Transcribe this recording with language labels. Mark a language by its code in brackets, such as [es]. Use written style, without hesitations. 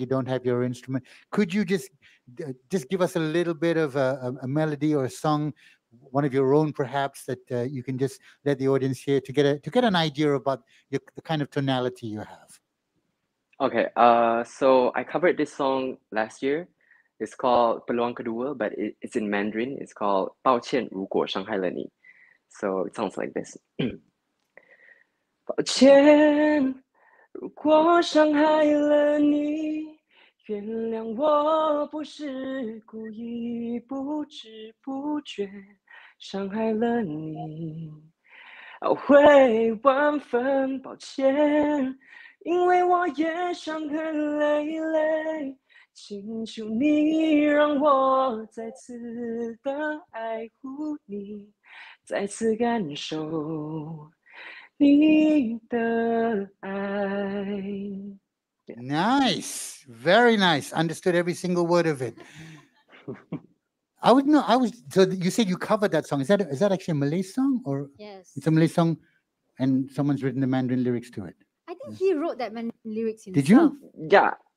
[en] You don't have your instrument. Could you just give us a little bit of a melody or a song one of your own, perhaps, that you can just let the audience hear to get an idea about the kind of tonality you have? Okay, so I covered this song last year. It's called Peluang Kedua, but it's in Mandarin. It's called 抱歉如果伤害了你. So it sounds like this. [zh] 抱歉如果伤害了你 原谅我不是故意不知不觉伤害了你会万分抱歉因为我也伤痕累累请求你让我再次的爱护你再次感受你的爱. [en] Yeah. Nice, very nice. Understood every single word of it. So you said you covered that song. Is that actually a Malay song, or yes, it's a Malay song, and someone's written the Mandarin lyrics to it? I think he wrote that Mandarin lyrics himself. Did you? Yeah.